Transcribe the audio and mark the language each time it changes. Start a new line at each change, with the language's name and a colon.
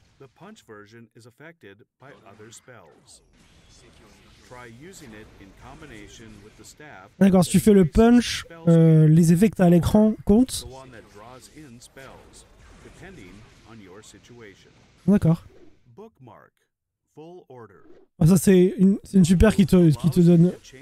English: The punch version is affected by other spells. Try using it in combination with the staff.
French: D'accord, si tu fais le punch, les effets que t'as à l'écran comptent.
English: The one that draws in spells, depending on your situation.
French: D'accord. Bookmark, full order. Ah, ça c'est une super qui te donne.